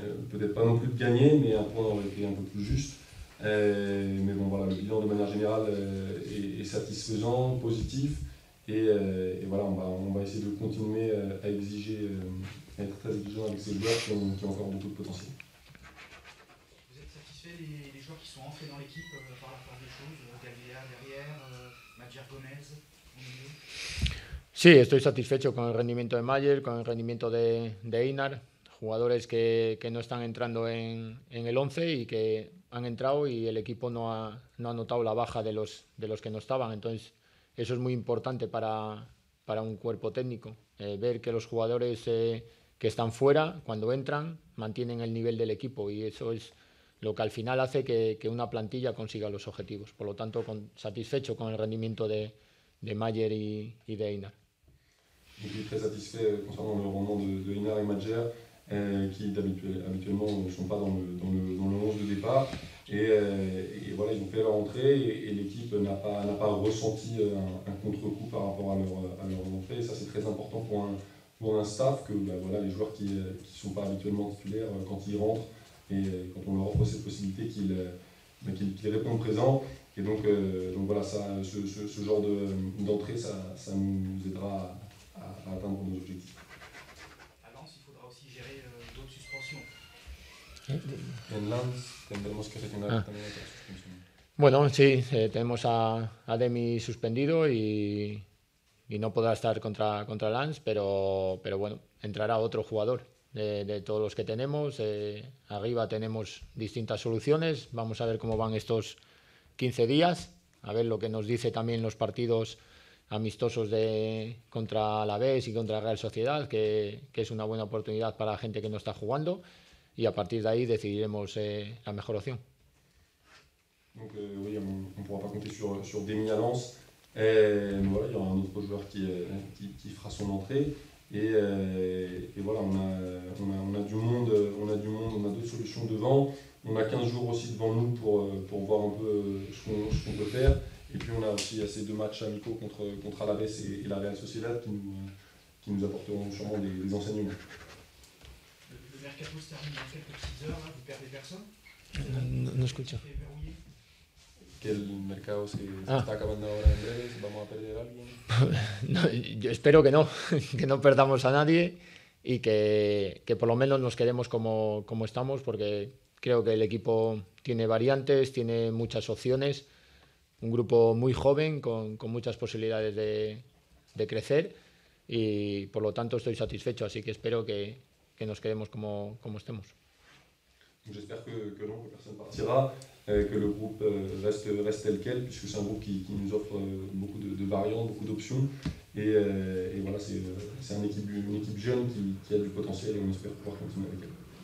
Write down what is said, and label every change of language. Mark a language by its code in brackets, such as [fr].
[fr] Peut-être pas non plus de gagner, mais un point aurait été un peu plus juste. Mais bon, voilà, le bilan de manière générale est satisfaisant, positif, et voilà, on va essayer de continuer à exiger, à être très exigeant avec ces joueurs qui ont encore beaucoup de potentiel. Vous êtes satisfait des joueurs qui sont entrés dans l'équipe par la force des choses, Galvia derrière, Madjer Gomez au milieu? [es] Sí, estoy satisfecho con el rendimiento de Mayer, con el rendimiento de Einar. Jugadores que no están entrando en el 11 y que han entrado y el equipo no ha notado la baja de los que no estaban. Entonces, eso es muy importante para un cuerpo técnico. Ver que los jugadores que están fuera, cuando entran, mantienen el nivel del equipo. Y eso es lo que al final hace que una plantilla consiga los objetivos. Por lo tanto, satisfecho con el rendimiento de Mayer y de Einar. [fr] Donc, il est très satisfait concernant le rendement de Einar et Madjer, qui habituellement ne sont pas dans le 11 de départ. Et voilà, ils ont fait leur entrée et l'équipe n'a pas ressenti un contre-coup par rapport à leur entrée. Et ça, c'est très important pour un staff que bah, voilà, les joueurs qui ne sont pas habituellement titulaires, quand ils rentrent et quand on leur offre cette possibilité, qu'ils répondent présent. Et donc voilà, ça, ce genre d'entrée, ça nous aidera à atteindre nos objectifs. À Lens, il faudra aussi gérer d'autres suspensions. [es] En Lens, tendremos que retener también otras suspensiones. Bueno, sí, tenemos a Demi suspendido y no podrá estar contra Lens, pero bueno, entrará otro jugador de todos los que tenemos. Arriba tenemos distintas soluciones. Vamos a ver cómo van estos 15 días, a ver lo que nos dice también los partidos amistosos de contra Alavés y contra Real Sociedad, que es una buena oportunidad para la gente que no está jugando, y a partir de ahí decidiremos la mejor opción. [fr] Donc, oui, on pourra pas compter sur Demi à Lens. Voilà, il y aura un autre joueur qui fera son entrée, et voilà, on a deux solutions devant. On a 15 jours aussi devant nous pour voir un peu ce qu'on peut faire. Et puis on a aussi ces deux matchs amicaux contre Alavés et la Real Sociedad qui nous apporteront sûrement des enseignements. Le mercato se termine en quelques petites heures, hein, vous perdez personne? Non, je comprends. [es] Quel mercato se está acabando ahora en breves? Vamos a perder alguien? Yo espero que no perdamos a nadie y que por lo menos nos quedemos como estamos, porque creo que el equipo tiene variantes, tiene muchas opciones. Un grupo muy joven, con muchas posibilidades de crecer, y por lo tanto estoy satisfecho, así que espero que nos quedemos como estemos. [fr] J'espère que no, que personne partira, que le groupe reste tel quel, puisque c'est un groupe qui nous offre beaucoup de variantes, beaucoup d'options. Et voilà, c'est une équipe jeune qui a du potentiel et on espère pouvoir continuer avec elle.